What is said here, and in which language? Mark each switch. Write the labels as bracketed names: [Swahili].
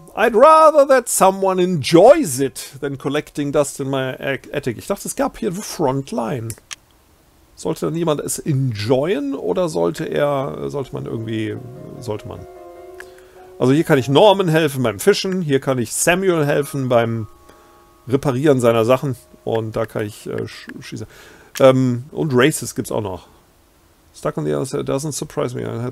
[English] I'd rather that someone enjoys it than collecting dust in my attic. [German] Ich dachte, es gab hier eine Frontline. Sollte dann jemand es enjoyen oder sollte man? Also hier kann ich Norman helfen beim Fischen, hier kann ich Samuel helfen beim Reparieren seiner Sachen und da kann ich schießen. Und Races gibt's auch noch. [English] Stuck on the other side doesn't surprise me.